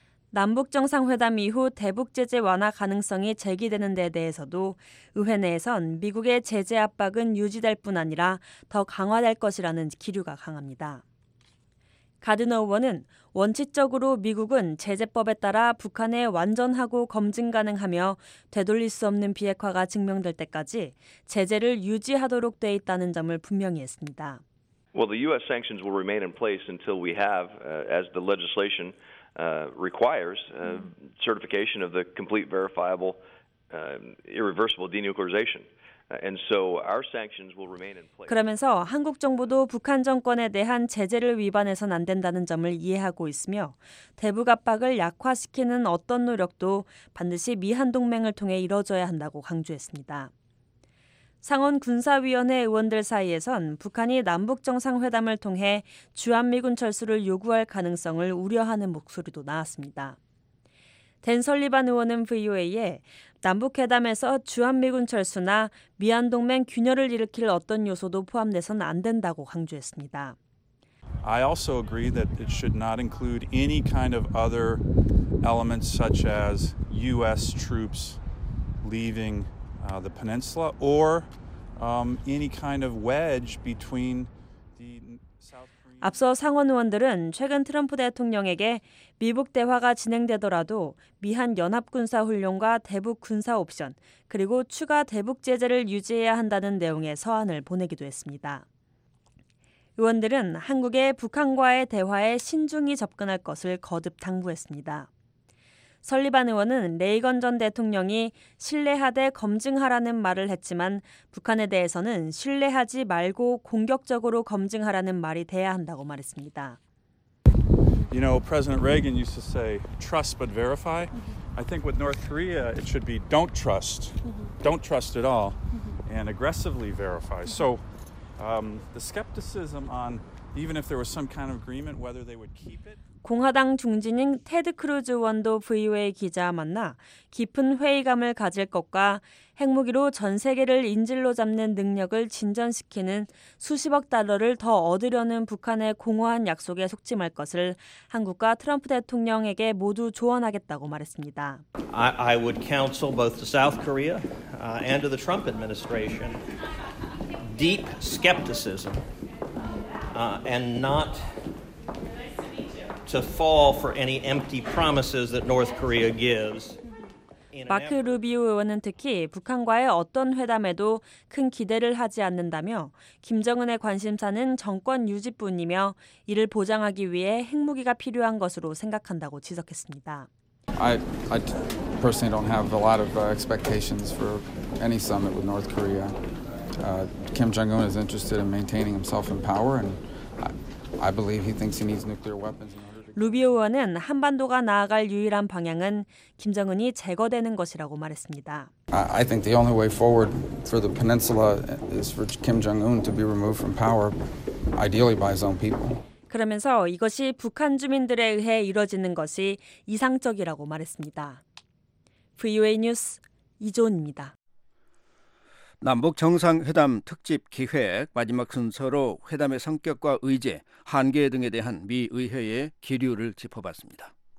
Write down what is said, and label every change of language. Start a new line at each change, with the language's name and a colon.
Korean: 남북정상회담 이후 대북 제재 완화 가능성이 제기되는 데 대해서도 의회 내에선 미국의 제재 압박은 유지될 뿐 아니라 더 강화될 것이라는 기류가 강합니다. 가드너 의원은 원칙적으로 미국은 제재법에 따라 북한에 완전하고 검증 가능하며 되돌릴 수 없는 비핵화가 증명될 때까지 제재를 유지하도록 돼 있다는 점을 분명히 했습니다.
English: Well, the U.S. sanctions will remain in place until we have, as the legislation requires, certification of the complete verifiable irreversible denuclearization. And so our sanctions will remain in place.
Korean: 그러면서 한국 정부도 북한 정권에 대한 제재를 위반해서는 안 된다는 점을 이해하고 있으며 대북 압박을 약화시키는 어떤 노력도 반드시 미한 동맹을 통해 이뤄져야 한다고 강조했습니다. 상원 군사위원회 의원들 사이에선 북한이 남북 정상회담을 통해 주한미군 철수를 요구할 가능성을 우려하는 목소리도 나왔습니다. 댄 설리반 의원은 VOA에 남북회담에서 주한미군 철수나 미한동맹 균열을 일으킬 어떤 요소도 포함돼선 안 된다고 강조했습니다.
English: I also agree that it should not include any kind of other elements such as U.S. troops leaving the peninsula or any kind of wedge between the South Korea.
Korean: 앞서 상원 의원들은 최근 트럼프 대통령에게 미북 대화가 진행되더라도 미한 연합군사훈련과 대북 군사 옵션 그리고 추가 대북 제재를 유지해야 한다는 내용의 서한을 보내기도 했습니다. 의원들은 한국의 북한과의 대화에 신중히 접근할 것을 거듭 당부했습니다. 설리반 의원은 레이건 전 대통령이 신뢰하되 검증하라는 말을 했지만 북한에 대해서는 신뢰하지 말고 공격적으로 검증하라는 말이 돼야 한다고 말했습니다.
English: You know, President Reagan used to say, trust but verify. I think with North Korea, it should be don't trust. Don't trust at all and aggressively verify. So the skepticism on even if there was some kind of agreement, whether they would keep it.
Korean: 공화당 중진인 테드 크루즈 의원도 VOA 기자와 만나 깊은 회의감을 가질 것과 핵무기로 전 세계를 인질로 잡는 능력을 진전시키는 수십억 달러를 더 얻으려는 북한의 공허한 약속에 속지말 것을 한국과 트럼프 대통령에게 모두 조언하겠다고 말했습니다.
English: I would counsel both the South Korea and the Trump administration deep skepticism and not to fall for any empty promises that North Korea gives.
Korean: 마크 루비오 의원은 특히 북한과의 어떤 회담에도 큰 기대를 하지 않는다며 김정은의 관심사는 정권 유지뿐이며 이를 보장하기 위해 핵무기가 필요한 것으로 생각한다고 지적했습니다.
English: I personally don't have a lot of expectations for any summit with North Korea. Kim Jong-un is interested in maintaining himself in power and I believe he thinks he needs nuclear weapons.
Korean: 루비오 의원은 한반도가 나아갈 유일한 방향은 김정은이 제거되는 것이라고 말했습니다.
English: I think the only way forward for the peninsula is for Kim Jong-un to be removed from power, ideally by his own people.
Korean: 그러면서 이것이 북한 주민들에 의해 이루어지는 것이 이상적이라고 말했습니다. VOA 뉴스 이조은입니다. 남북정상회담 특집 기획 마지막 순서로 회담의 성격과 의제, 한계 등에 대한 미 의회의 기류를 짚어봤습니다.